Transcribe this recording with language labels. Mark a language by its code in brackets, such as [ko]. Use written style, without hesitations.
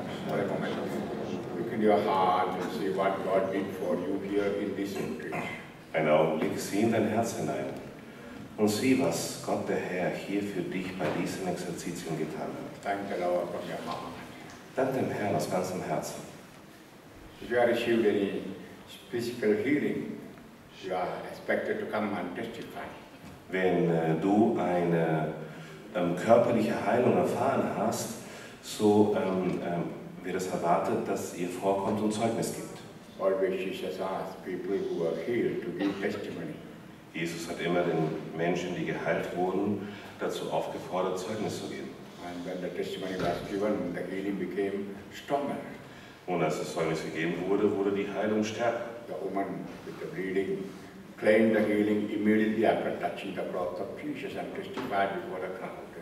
[en] Look in your heart and see what God did for you here in this retreat. [de] Ein Augenblick, sieh in dein Herz hinein und sieh, was Gott der Herr hier für dich bei diesem Exerzitium getan hat. [en] Thank the Lord from your heart. [de] Dank dem Herrn aus ganzem Herzen. [en] If you are received any physical healing, you are expected to come and testify. [de] Wenn du eine körperliche Heilung erfahren hast, so wird es erwartet, dass ihr vorkommt und Zeugnis gibt. [en] Always Jesus asks people who are healed to give testimony. [de] Jesus hat immer den Menschen, die geheilt wurden, dazu aufgefordert, Zeugnis zu geben. [en] And when the testimony was given, the healing became stronger. [de] Und als das Zeugnis gegeben wurde, wurde die Heilung stärker. [en] The woman with the bleeding claimed the healing immediately after touching the cloth of Jesus and testified before the crowd.